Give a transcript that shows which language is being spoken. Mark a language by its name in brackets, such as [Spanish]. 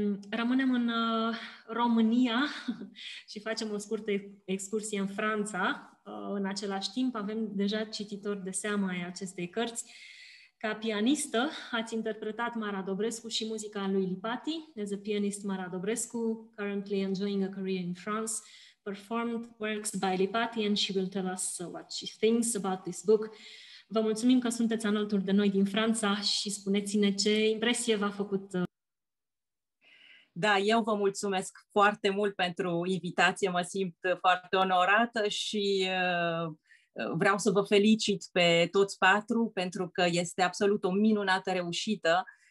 [Romanian] Rămânem în România și facem o scurtă excursie în Franța. În același timp, avem deja cititori de seamă ai acestei cărți. Ca pianistă, ați interpretat Mara Dobrescu și muzica lui Lipati. [English] As a pianist, Mara Dobrescu, currently enjoying a career in France, performed works by Lipati, and she will tell us what she thinks about this book. [Romanian] Vă mulțumim că sunteți alături de noi din Franța și spuneți-ne ce impresie v-a făcut. Da, eu vă mulțumesc foarte mult pentru invitație, mă simt foarte onorată și vreau să vă felicit pe toți patru, pentru că este absolut o minunată reușită.